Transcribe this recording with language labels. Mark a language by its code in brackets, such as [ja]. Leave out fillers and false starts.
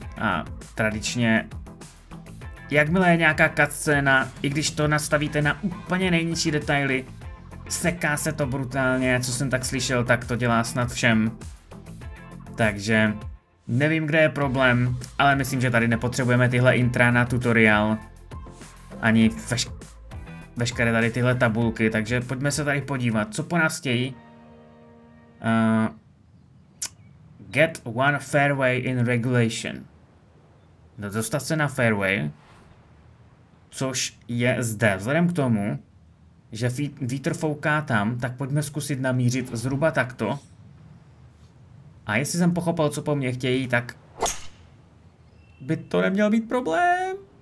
[cs] A tradičně, jakmile je nějaká cutscéna, i když to nastavíte na úplně nejnižší detaily, seká se to brutálně, co jsem tak slyšel, tak to dělá snad všem. Takže nevím, kde je problém, ale myslím, že tady nepotřebujeme tyhle intra na tutoriál. Ani veškeré tady tyhle tabulky, takže pojďme se tady podívat, co po nás chtějí. [en] Get one fairway in regulation. [cs] No, dostat se na fairway. Což je zde, vzhledem k tomu, že vítr fouká tam, tak pojďme zkusit namířit zhruba takto. A jestli jsem pochopil, co po mně chtějí, tak by to neměl být problém.